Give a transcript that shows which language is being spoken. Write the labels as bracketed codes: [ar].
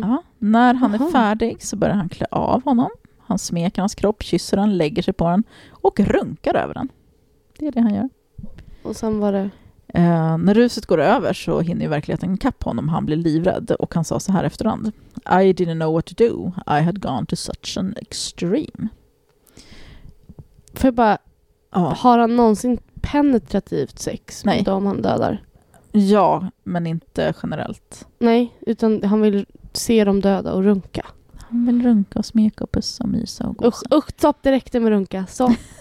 [sv] Ja, när han är färdig så börjar han klä av honom. Han smeker hans kropp, kysser den, lägger sig på den och runkar över den. Det är det han gör. Och sen var det? När ruset går över så hinner ju verkligheten kapp honom. Han blir livrädd och han sa så här efterhand: [en] I didn't know what to do. I had gone to such an extreme. [sv] För bara, har han någonsin penetrativt sex med dem han dödar? Ja, men inte generellt. Nej, utan han vill se dem döda och runka. Han vill runka och smeka och pussa och mysa och gosa. Usch, stopp direkt med runka. Så.